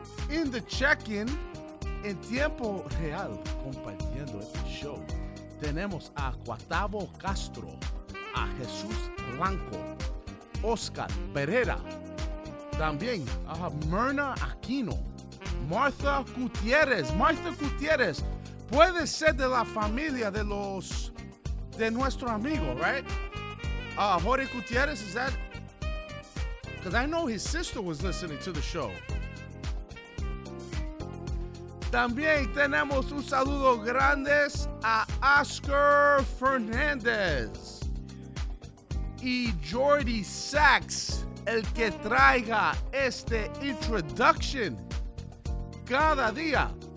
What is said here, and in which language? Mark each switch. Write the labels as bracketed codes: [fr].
[en] In the check-in, [es] en tiempo real, compartiendo este show, tenemos a Cuatavo Castro, a Jesús Blanco, Oscar Pereira, también a Myrna Aquino, Martha Gutierrez. Martha Gutierrez puede ser de la familia de los, de nuestro amigo, right? [en] Jorge Gutierrez, is that? Because I know his sister was listening to the show. [es] También tenemos un saludo grande a Oscar Fernandez y Jordi Sachs, el que traiga este introduction cada día.